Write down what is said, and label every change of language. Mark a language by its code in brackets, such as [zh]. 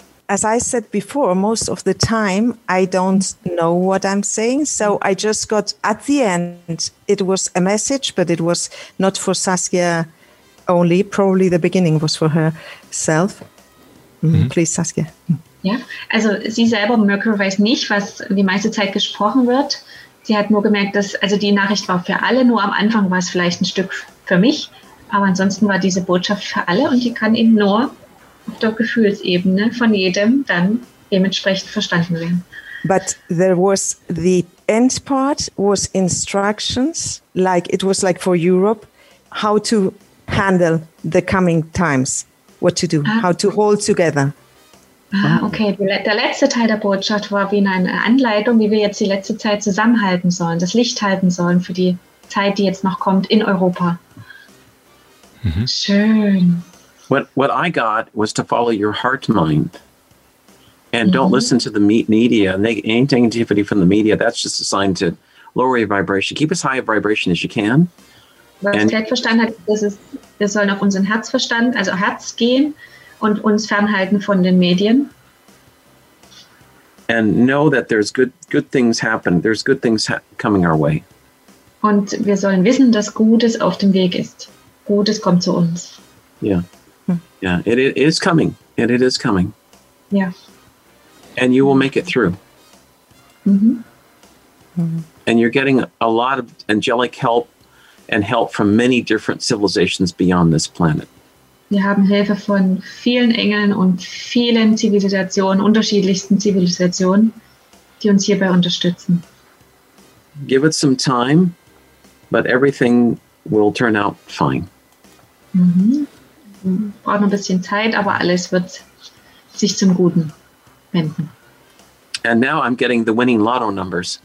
[en] As I said before, most of the time I don't know what I'm saying. So I just got at the end, it was a message, but it was not for Saskia only. Probably the beginning was for herself. Mm-hmm. Please, Saskia. [de] Ja, also sie selber, Mercury, weiß nicht, was die meiste Zeit gesprochen wird. Sie hat nur gemerkt, dass, also die Nachricht war für alle, nur am Anfang war es vielleicht ein Stück für mich. Aber ansonsten war diese Botschaft für alle und die kann eben nur auf der Gefühlsebene von jedem dann dementsprechend verstanden werden. [en] But there was the end part was instructions, like it was like for Europe, how to handle the coming times, what to do, how to hold together. [de] Ah, okay, der letzte Teil der Botschaft war wie eine Anleitung, wie wir jetzt die letzte Zeit zusammenhalten sollen, das Licht halten sollen für die Zeit, die jetzt noch kommt in Europa. Mhm. Schön. [en] What I got was to follow your heart mind and don't listen to the media. Any negativity from the media, that's just a sign to lower your vibration. Keep as high a vibration as you can. [de] Was ich vielleicht verstanden habe, das ist, wir sollen auf unseren Herzverstand, also Herz gehen, und uns fernhalten von den Medien. [en] And know that there's good things happen. There's good things coming our way. [de] Und wir sollen wissen, dass Gutes auf dem Weg ist. Gutes kommt zu uns. [en] Yeah. Hm. Yeah, it is coming. And it is coming. Yeah. And you will make it through. Mhm. Mhm. And you're getting a lot of angelic help and help from many different civilizations beyond this planet. [de] Wir haben Hilfe von vielen Engeln und vielen Zivilisationen, unterschiedlichsten Zivilisationen, die uns hierbei unterstützen. [en] Give it some time, but everything will turn out fine. Mhm. [de] Braucht ein bisschen Zeit, aber alles wird sich zum Guten wenden. [en] And now I'm getting the winning lotto numbers.